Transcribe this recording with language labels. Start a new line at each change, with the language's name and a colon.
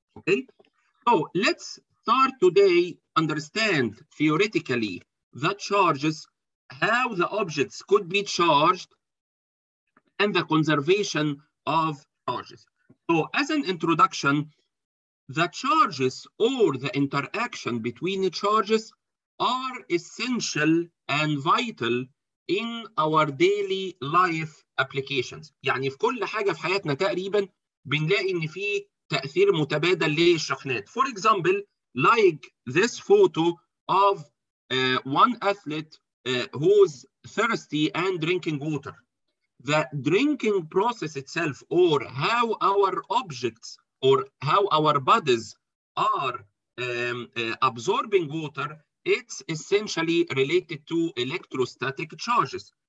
English: Okay, so let's start today understand theoretically the charges, how the objects could be charged, and the conservation of charges. So as an introduction, the charges or the interaction between the charges are essential and vital in our daily life applications.
Arabic: يعني في كل حاجة في حياتنا تقريبا بنلاقي ان في تأثير متبادل للشحنات.
English: For example, like this photo of one athlete who's thirsty and drinking water. The drinking process itself, or how our objects or how our bodies are absorbing water, it's essentially related to electrostatic charges.